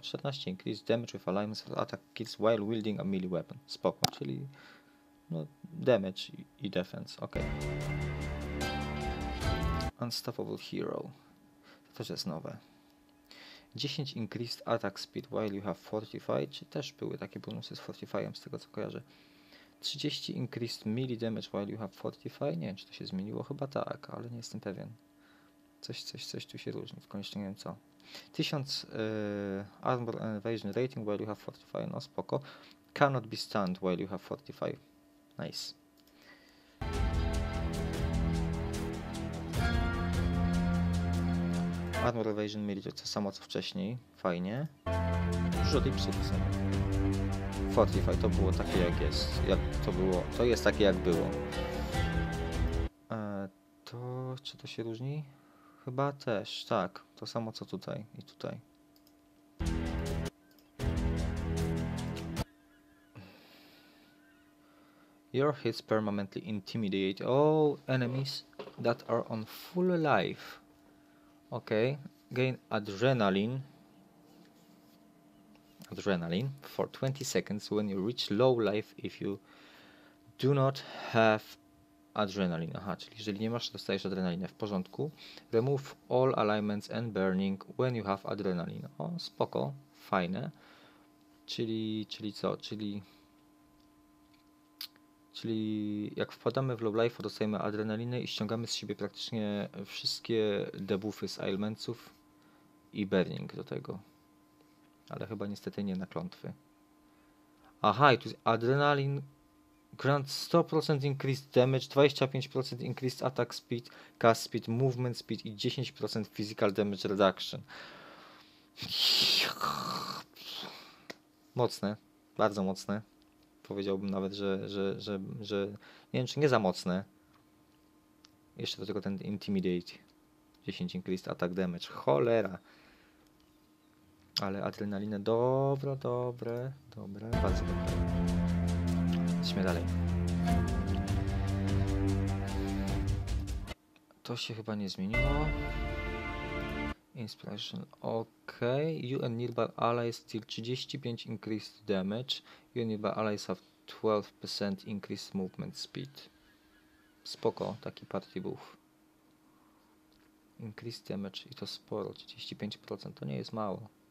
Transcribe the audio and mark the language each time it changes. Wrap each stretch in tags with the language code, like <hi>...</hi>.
<en>14 increased damage with alignments for attack kills while wielding a melee weapon,</en> <pl>spoko. Czyli no, damage i defense, ok.</pl> <en>Unstoppable hero.</en> <pl>To też jest nowe.</pl> <en>10 increased attack speed while you have fortified,</en> <pl>czy też były takie bonusy z fortifyem, z tego co kojarzę.</pl> <en>30 increased melee damage while you have fortify.</en> <pl>Nie wiem, czy to się zmieniło, chyba tak, ale nie jestem pewien. Coś tu się różni, w końcu nie wiem co.</pl> <en>1000 armor and evasion rating while you have fortify.</en> <pl>No spoko.</pl> <en>Cannot be stunned while you have fortify. Nice. Armor evasion melee,</en> <pl>to samo co wcześniej. Fajnie. Dużo tipsów w sumie. Fortify to było takie jak jest, jak to było, to jest takie jak było. To czy to się różni? Chyba też, tak, to samo co tutaj i tutaj.</pl> <en>Your hits permanently intimidate all enemies that are on full life. Ok, gain adrenaline. Adrenaline for 20 seconds when you reach low life if you do not have adrenaline.</en> <pl>Aha, czyli jeżeli nie masz, dostajesz adrenalinę, w porządku.</pl> <en>Remove all alignments and burning when you have adrenaline.</en> <pl>O, spoko, fajne. Czyli co? Czyli jak wpadamy w low life, dostajemy adrenalinę i ściągamy z siebie praktycznie wszystkie debuffy z ailmentsów i burning do tego. Ale chyba niestety nie na klątwy. Aha, i tu jest adrenalin.</pl> <en>Grant 100% increased damage, 25% increased attack speed, cast speed, movement speed i 10% physical damage reduction.</en> <pl>Mocne, bardzo mocne. Powiedziałbym nawet, że nie wiem, czy nie za mocne. Jeszcze do tego ten intimidate.</pl> <en>10 increased attack damage.</en> <pl>Cholera. Ale adrenalinę, dobre, bardzo dobre. Idźmy dalej. To się chyba nie zmieniło.</pl> <en>Inspiration, ok. You and nearby allies deal 35 increased damage. You and nearby allies have 12% increased movement speed.</en> <pl>Spoko, taki party buff.</pl> <en>Increased damage</en> <pl>i to sporo, 35%, to nie jest mało.</pl>